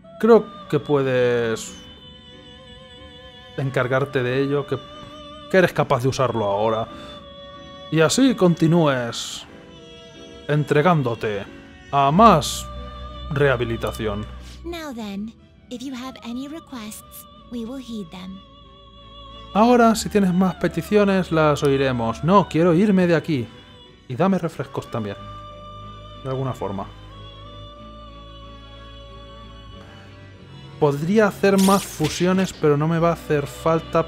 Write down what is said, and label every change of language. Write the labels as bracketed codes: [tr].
[es] Creo que puedes encargarte de ello, que eres capaz de usarlo ahora. Y así continúes entregándote a más rehabilitación. [en] Now then, if you have any requests, we will heed them. [es] Ahora, si tienes más peticiones, las oiremos. No, quiero irme de aquí. Y dame refrescos también. De alguna forma. Podría hacer más fusiones, pero no me va a hacer falta.